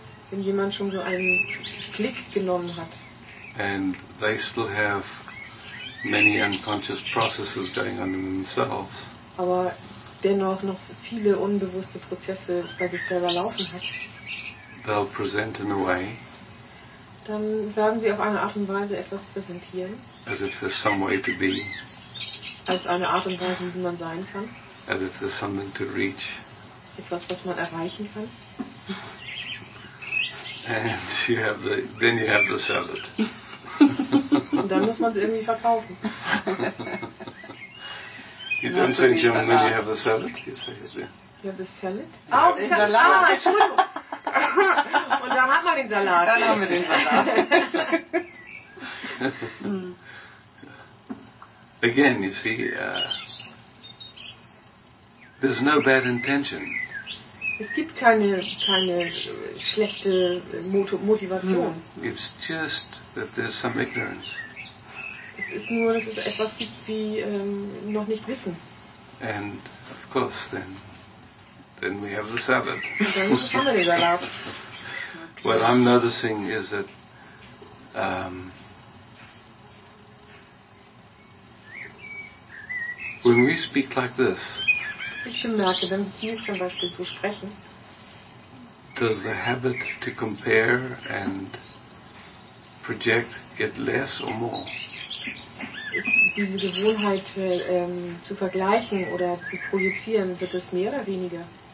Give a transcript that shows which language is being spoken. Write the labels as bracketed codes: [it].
[de] wenn jemand schon so einen Blick genommen hat, [en] and they still have many unconscious processes going on in themselves, [de] aber dennoch noch viele unbewusste Prozesse bei sich selber laufen hat, [en] they'll present in a way, [de] dann werden sie auf eine Art und Weise etwas präsentieren, [en] as if there's some way to be, [de] als eine Art und Weise, wie man sein kann, [en] as if there's something to reach, [de] etwas, was man erreichen kann. [en] And you have the, then you have to sell it. [de] Und dann muss man es irgendwie verkaufen. [en] You don't say German when you have to sell it? You say it, yeah. You have to sell it? [de] Ah, oh, ich habe Salat. Ah, Entschuldigung. Und dann hat man den Salat. Dann haben wir den Salat. [en] Again, you see, there's no bad intention. [de] Es gibt keine schlechte Motivation. [en] It's just that there's some ignorance. [de] Es ist nur, dass es etwas gibt, wie noch nicht wissen. [en] And of course, then we have the Sabbath. [de] Dann haben wir den Salat. [en] What I'm noticing is that when we speak like this, [de] ich bemerke, wenn wir zum Beispiel so sprechen, [en] does the habit to compare and project get less or more? [de] Diese Gewohnheit zu vergleichen oder zu projizieren, wird es mehr oder weniger?